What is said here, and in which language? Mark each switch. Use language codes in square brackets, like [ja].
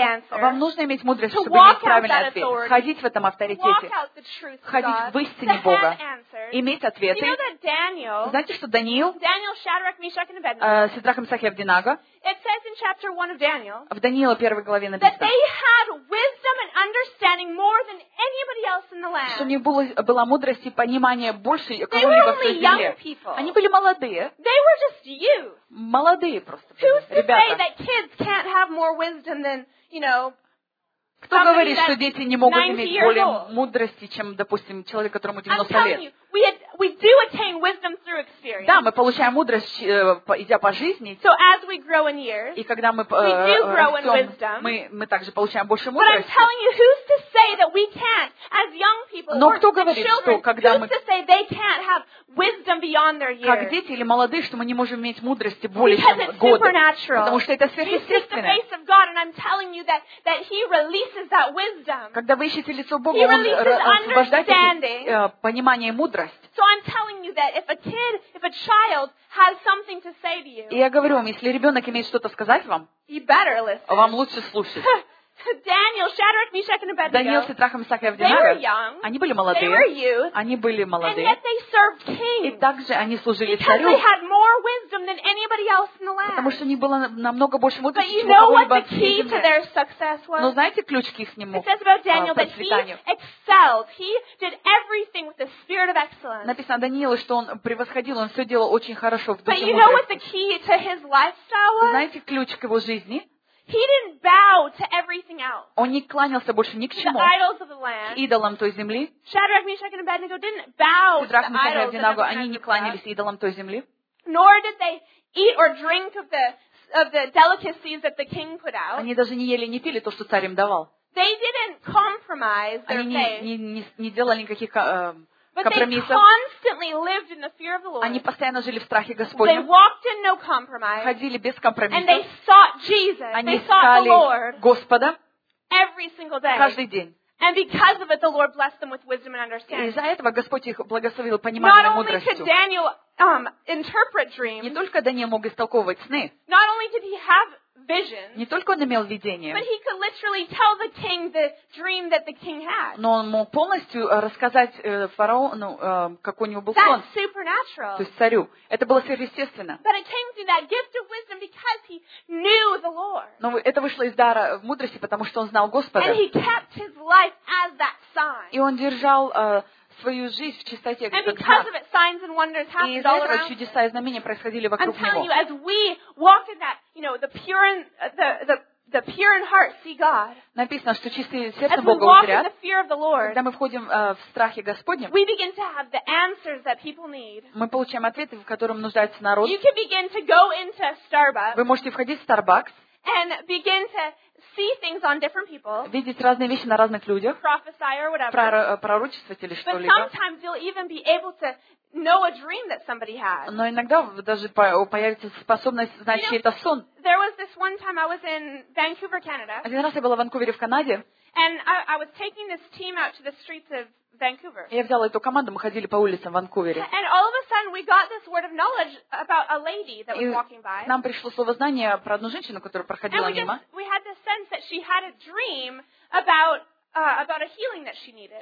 [ru] Вам нужно иметь мудрость, чтобы иметь правильный ответ. Ходить в этом авторитете. Ходить в истине Бога. Иметь ответы. Знаете, что Даниил, Сидрах, Месах и Авденаго, в Даниила 1 главе написано, [en] They had wisdom and understanding more than anybody else in the land. [ru] Что у них была мудрость и понимание больше, чем кого-либо в земле. [en] They were only young people. [ru] Они были молодые. [en] They were just youth. [ru] Молодые просто. [en] Who's to say that kids can't have more wisdom than, you know, [ru] Кто говорит, что дети не могут иметь более мудрости, чем, допустим, человек, которому 90 лет? [en] We do attain wisdom through experience. [ru] Да, мы получаем мудрость, идя по жизни. [en] So as we grow in years, [ru] и когда мы растем, мы также получаем больше мудрости. [en] But I'm telling you, who's to say that we can't, as young people, [ru] Но кто говорит, что когда мы... [en] Who's to say they can't have wisdom beyond their years? [ru] Как дети или молодые, что мы не можем иметь мудрости более чем годы. Потому что это сверхъестественное. [en] You seek the face of God, and I'm telling you that He releases that wisdom. [ru] Когда вы ищете лицо Бога, Он освобождает понимание и мудрость. [en] So I'm telling you that if a child has something to say to you, [ru] я говорю вам, если ребенок имеет что-то сказать вам, [en] you better listen. [ru] Вам лучше слушать. [en] Daniel, Shadrach, Meshach, and Abednego. [ru] Даниил, Сидрах, Месах и [en] Авденаго. They were young. [ru] Они были молодые. [en] They were youth. [ru] Они были молодые. [en] And yet they served kings. [ru] И также они служили царю. [en] Because they had more wisdom than anybody else in the land. [ru] Потому что у них было намного больше мудрости, чем кого-либо в этом мире. [en] But you know what the key to their success was? [ru] Но знаете ключ к их нему? [en] It says about Daniel that he excelled. He did everything with the spirit of excellence. [ru] Написано Даниилу, что он превосходил, он все делал очень хорошо в духе мудрости. [en] But you know what the key to his lifestyle was? [ru] Знаете ключ к его жизни? [en] He didn't bow to everything else. [ru] Он не кланялся больше ни к чему. [en] The idols of the land. [ru] К идолам той земли. [en] Shadrach, Meshach, and Abednego didn't bow to the idols of the land. [ru] Они не кланялись идолам той земли. [en] Nor did they eat or drink of the delicacies that the king put out. [ru] Они даже не ели, не пили то, что царь им давал. [en] They didn't compromise their faith. [ru] Они не делали никаких [en] But they constantly lived in the fear of the Lord. [ru] Они постоянно жили в страхе Господнем. [en] They walked in no compromise. [ru] Ходили без компромиссов. [en] And they sought Jesus. [ru] Они [en] sought the Lord. [ru] Господа. [en] Every single day. [ru] Каждый день. [en] And because of it, the Lord blessed them with wisdom and understanding. [ru] Из-за этого Господь их благословил пониманием и мудростью. [en] Not only could Daniel interpret dreams. [ru] Не только Даниил мог истолковывать сны. [en] Not only did he have visions, [ru] не только он имел видение, [en] but he could literally tell the king the dream that the king had. [ru] Но он мог полностью рассказать фараону, как у него был сон. [en] That's supernatural. [ru] То есть царю. Это было сверхъестественно. [en] But it came through that gift of wisdom because he knew the Lord. [ru] Но это вышло из дара мудрости, потому что он знал Господа. [en] And he kept his life as that sign. [ru] И он держал свою жизнь в чистоте, как знак. И из-за этого чудеса и знамения происходили вокруг него. [en] I'm telling you, as we walk in that, you know, the pure in heart see God. [ru] Написано, что чистые сердцем Бога узрят. [en] As we walk in the fear of the Lord, [ru] когда мы входим в страхе Господнем, [en] we begin to have the answers that people need. [ru] Мы получаем ответы, в котором нуждается народ. [en] You can begin to go into Starbucks. [ru] Вы можете входить в Starbucks. [en] And begin to see things on different people. [ru] Видеть разные вещи на разных людях. [en] Prophesy or whatever. [ru] Пророчествовать или что-либо. [en] But sometimes you'll even be able to know a dream that somebody had. [ru] Но иногда даже появится способность знать чей-то сон. [en] There was this one time I was in Vancouver, Canada. [ru] Один раз я была в Ванкувере, в Канаде. [en] And I was taking this team out to the streets of Vancouver. [ru] Я взяла эту команду, мы ходили по улицам в Ванкувере. [en] And all of a sudden we got this word of knowledge about a lady that was walking by. [ru] Нам пришло слово знания про одну женщину, которая проходила мимо. [en] And we had this sense that she had a dream about a healing that she needed.